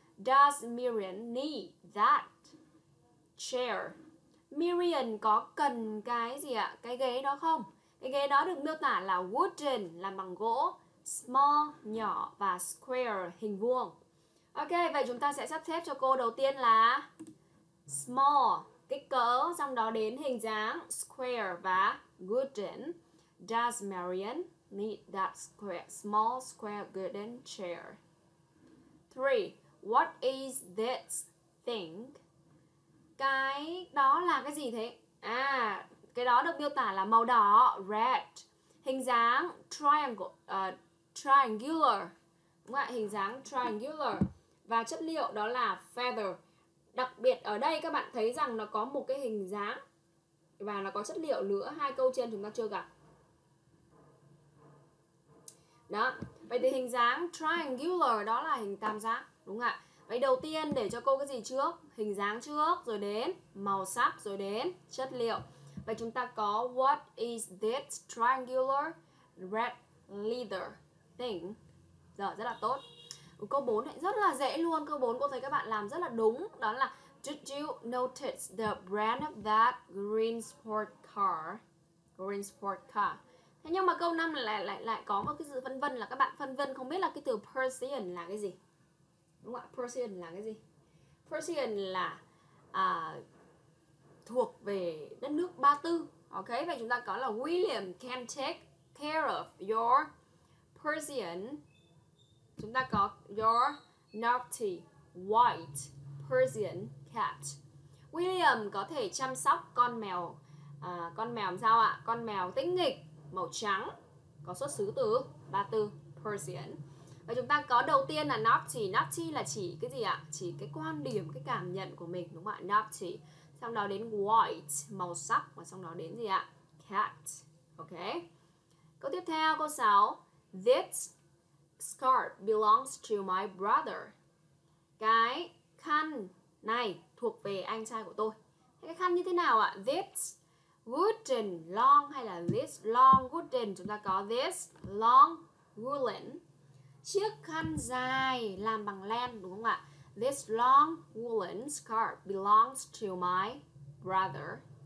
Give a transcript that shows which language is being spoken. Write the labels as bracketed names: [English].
[English] Does Miriam need that chair? [Vietnamese] Miriam có cần cái gì ạ? Cái ghế đó không? Cái ghế đó được miêu tả là wooden, làm bằng gỗ, small, nhỏ và square, hình vuông. Ok, vậy chúng ta sẽ sắp xếp cho cô đầu tiên là small, kích cỡ, xong đó đến hình dáng, square và wooden. [English] Does Marion need that square, small square wooden chair? [Vietnamese] 3. [English] What is this thing? [Vietnamese] Cái đó là cái gì thế? À, cái đó được miêu tả là màu đỏ, red. Hình dáng triangle, triangular. Đúng không ạ? Hình dáng triangular. Và chất liệu đó là feather. Đặc biệt ở đây các bạn thấy rằng nó có một cái hình dáng và nó có chất liệu nữa. Hai câu trên chúng ta chưa gặp. Đó. Vậy thì hình dáng triangular đó là hình tam giác. Đúng không ạ? Vậy đầu tiên để cho cô cái gì trước? Hình dáng trước, rồi đến màu sắc, rồi đến chất liệu. Vậy chúng ta có [English] what is this triangular red leather thing? [Vietnamese] Giờ rất là tốt. Câu 4 rất là dễ luôn. Câu 4 cô thấy các bạn làm rất là đúng. Đó là [English] did you notice the brand of that green sport car? Green sport car. [Vietnamese] Thế nhưng mà câu 5 lại có một cái sự phân vân là các bạn phân vân không biết là cái từ Persian là cái gì. Đúng không ạ? Persian là cái gì? Persian là thuộc về đất nước Ba Tư. [English] Ok, [Vietnamese] vậy chúng ta có là [English] William can take care of your Persian. [Vietnamese] Chúng ta có [English] your naughty white Persian cat. [Vietnamese] William có thể chăm sóc con mèo sao ạ? Con mèo tinh nghịch màu trắng có xuất xứ từ Ba Tư, Persian. Và chúng ta có đầu tiên là naughty. Naughty là chỉ cái gì ạ? Chỉ cái quan điểm, cái cảm nhận của mình, đúng không ạ? Naughty. Xong đó đến white, màu sắc. Và xong đó đến gì ạ? Cat. Ok. Câu tiếp theo, câu 6. [English] This scarf belongs to my brother. [Vietnamese] Cái khăn này thuộc về anh trai của tôi. Cái khăn như thế nào ạ? [English] This wooden long [Vietnamese] hay là [English] this long wooden? [Vietnamese] Chúng ta có [English] this long woolen. [Vietnamese] Chiếc khăn dài làm bằng len, đúng không ạ? [English] This long woolen scarf belongs to my brother.